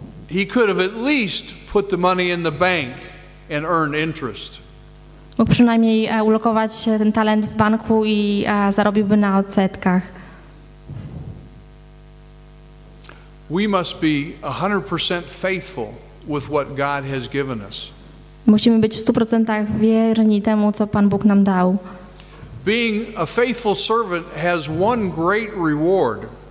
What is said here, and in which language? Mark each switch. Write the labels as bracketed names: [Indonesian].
[English] He could have at least put the money in the bank and earned interest. [Polish] Mógł przynajmniej ulokować ten talent w banku i zarobiłby na odsetkach. [English] We must be 100% faithful with what God has given us. [Polish] Musimy być w 100% wierni temu, co Pan Bóg nam dał. [English] Being a faithful servant has one great reward.